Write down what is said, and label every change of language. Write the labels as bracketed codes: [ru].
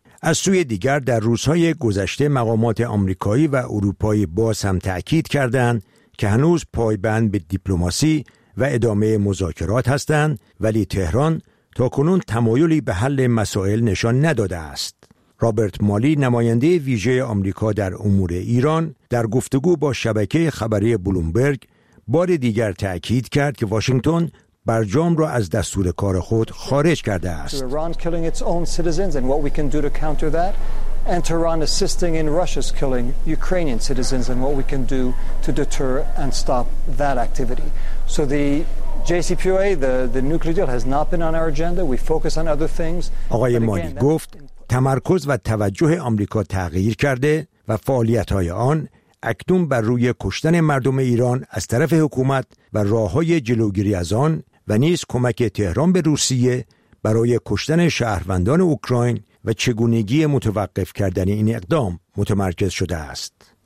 [fa] از سوی دیگر در روزهای گذشته مقامات آمریکایی و اروپایی باز هم تأکید کردند که هنوز پایبند به دیپلماسی و ادامه مذاکرات هستند، ولی تهران تا کنون تمایلی به حل مسائل نشان نداده است. رابرت مالی، نماینده ویژه آمریکا در امور ایران، در گفتگو با شبکه خبری بلومبرگ بار دیگر تأکید کرد که واشنگتن برجام را از دستور کار خود خارج کرده است. [en] Iran killing its own citizens and what we can do to counter that, and Tehran assisting in Russia's killing Ukrainian citizens and what we can do to deter and stop that activity. So the JCPOA, the nuclear deal has not been on our agenda. We focus on other things. [fa] آقای مالی گفت تمرکز و توجه آمریکا تغییر کرده و فعالیت‌های آن اکنون بر روی کشتن مردم ایران از طرف حکومت و راه‌های جلوگیری از آن و نیز کمک تهران به روسیه برای کشتن شهروندان اوکراین و چگونگی متوقف کردن این اقدام متمرکز شده است.